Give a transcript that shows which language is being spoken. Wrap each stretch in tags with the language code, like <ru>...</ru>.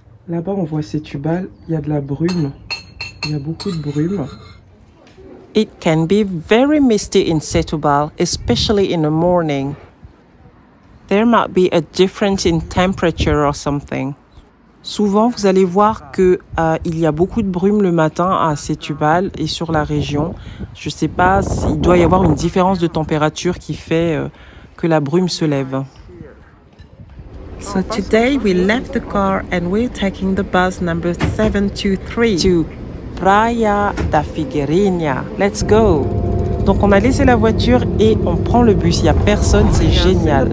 <fr>Là-bas, on voit Setúbal. Il y a de la brume. Il y a beaucoup de brume.</fr> <en>It can be very misty in Setúbal, especially in the morning. There might be a difference in temperature or something.</en> <fr>Souvent, vous allez voir qu'il y a beaucoup de brume le matin à Setúbal et sur la région. Je ne sais pas s'il doit y avoir une différence de température qui fait que la brume se lève.</fr> <en>So today we left the car and we're taking the bus number 723 to Praia da Figuerinha. Let's go!</en> <fr>Donc on a laissé la voiture et on prend le bus. Il n'y a personne, c'est génial.</fr>